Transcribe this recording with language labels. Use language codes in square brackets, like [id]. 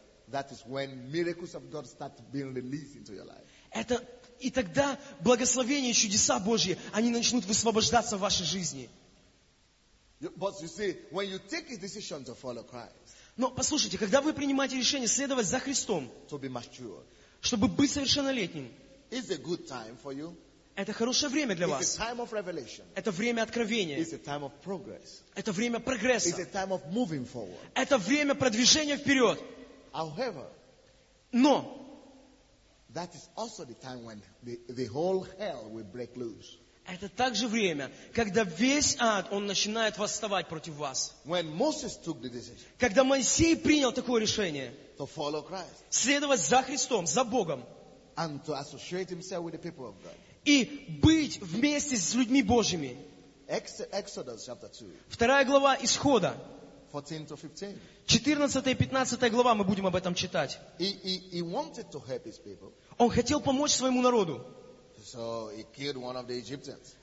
[en] That is when miracles of God start being released into your life. [ru] Это и тогда благословения и чудеса Божьи, они начнут высвобождаться в вашей жизни. [en] But you see, when you take a decision to follow Christ, [ru] но послушайте, когда вы принимаете решение следовать за Христом, [en] to be mature, [ru] чтобы быть совершеннолетним, [en] it's a good time for you. [ru] Это хорошее время для вас. [en] It's a time of revelation. [ru] Это время откровения. [en] It's a time of progress. [ru] Это время прогресса. [en] It's a time of moving forward. [ru] Это время продвижения вперед. [en] However, [ru] но [en] that is also the time when the whole hell will break loose. [ru] Это также время, когда весь ад, он начинает восставать против вас. [en] When Moses took the decision, [ru] когда Моисей принял такое решение [en] to follow Christ, [ru] следовать за Христом, за Богом, [en] and to associate himself with the people of God. [ru] И быть вместе с людьми Божьими. [en] Exodus chapter 2, [ru] 2 глава Исхода, [en] 14-15 [ru] глава, мы будем об этом читать. [en] He wanted to help his people. [ru] Он хотел помочь своему народу. [en] So he killed one of the Egyptians.